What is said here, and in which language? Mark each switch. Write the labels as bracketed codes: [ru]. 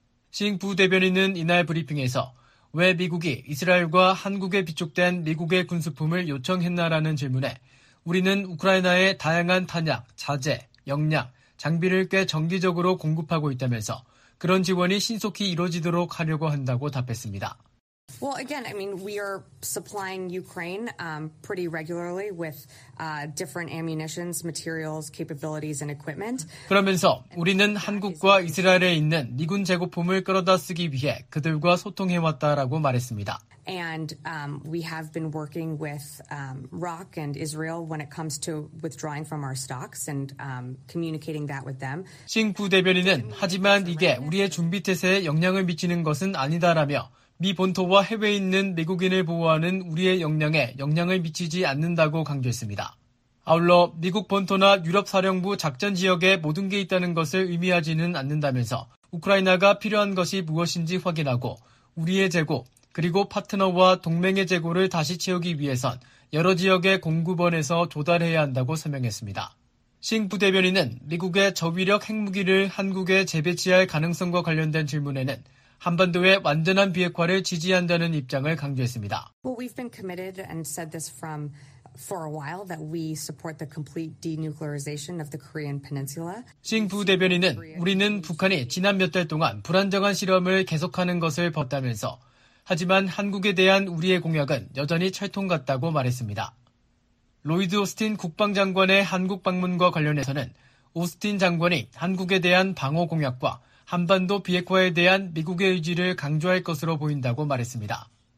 [ko] 징 부대변인은 이날 브리핑에서 왜 미국이 이스라엘과 한국에 비축된 미국의 군수품을 요청했나라는 질문에 우리는 우크라이나에 다양한 탄약, 자재, 역량, 장비를 꽤 정기적으로 공급하고 있다면서 그런 지원이 신속히 이루어지도록 하려고 한다고 답했습니다. [en] Well, again, I mean, we are supplying Ukraine pretty regularly with different ammunitions, materials, capabilities, and equipment. [ko] 그러면서 우리는 한국과 이스라엘에 있는 미군 재고품을 끌어다 쓰기 위해 그들과 소통해 왔다라고 말했습니다. [en] And we have been working with ROC and Israel when it comes to withdrawing from our stocks and communicating that with them. [ko] 싱 부대변인은 하지만 이게 우리의 준비 태세에 영향을 미치는 것은 아니다라며. 미 본토와 해외에 있는 미국인을 보호하는 우리의 역량에 영향을 미치지 않는다고 강조했습니다. 아울러 미국 본토나 유럽 사령부 작전 지역에 모든 게 있다는 것을 의미하지는 않는다면서 우크라이나가 필요한 것이 무엇인지 확인하고 우리의 재고 그리고 파트너와 동맹의 재고를 다시 채우기 위해선 여러 지역의 공급원에서 조달해야 한다고 설명했습니다. 싱 부대변인은 미국의 저위력 핵무기를 한국에 재배치할 가능성과 관련된 질문에는 한반도의 완전한 비핵화를 지지한다는 입장을 강조했습니다. [en] Well, we've been committed and said this for a while that we support the complete denuclearization of the Korean Peninsula. [ko] 싱 부대변인은 우리는 북한이 지난 몇 달 동안 불안정한 실험을 계속하는 것을 봤다면서 하지만 한국에 대한 우리의 공약은 여전히 철통 같다고 말했습니다. 로이드 오스틴 국방장관의 한국 방문과 관련해서는 오스틴 장관이 한국에 대한 방어 공약과 한반도 비핵화에 대한 미국의 의지를 강조할 것으로 보인다고 말했습니다.